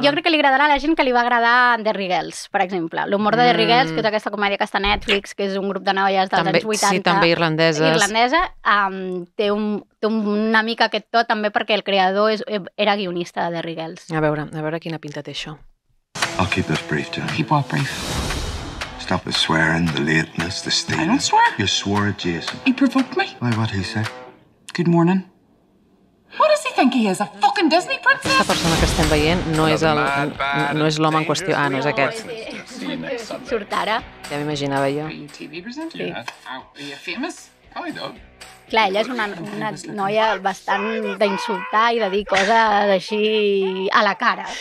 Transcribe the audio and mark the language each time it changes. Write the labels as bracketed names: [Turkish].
[Catalan] Però jo crec que li agradarà a la gent que li va agradar Derry Girls, per exemple. L'humor de Derry Girls, que és aquesta comèdia que està a Netflix, que és un grup de noies dels anys 80. Sí, també irlandeses. Irlandesa. Té una mica aquest to també perquè el creador era guionista de Derry Girls. A veure quina pinta té això. [English] I'll keep this brief, Jenny. Keep all brief. messed up the swearing, the lateness, the stealing. I don't swear. You swore at Jason. He provoked me. Why, what'd he say? Good morning. What does he think he is, a fucking Disney princess? [Catalan] Aquesta persona que estem veient no és el, no és l'home en qüestió. Ah, no és aquest. Surt ara. Ja m'imaginava jo. Sí. [English] Are you famous? Probably not. [Catalan] Clar, ella és una noia bastant d'insultar i de dir coses així a la cara.